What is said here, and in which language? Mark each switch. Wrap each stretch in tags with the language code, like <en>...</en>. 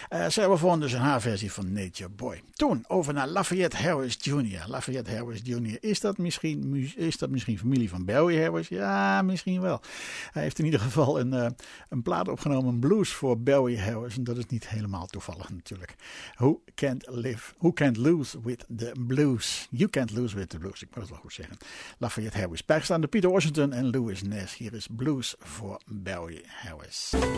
<nl>Sarah Vaughan dus een haar versie van Nature Boy. Toen over naar Lafayette Harris Jr. Lafayette Harris Jr. Is dat misschien familie van Barry Harris? Ja, misschien wel. Hij heeft in ieder geval een plaat opgenomen, een blues voor Barry Harris. En dat is niet helemaal toevallig natuurlijk.</nl> <en>Who can't lose with the blues? You can't lose with the blues.</en> <nl>Ik moet het wel goed zeggen. Lafayette Harris. Bijgestaan door Peter Washington en Louis Ness. Hier is blues voor Barry Harris.</nl>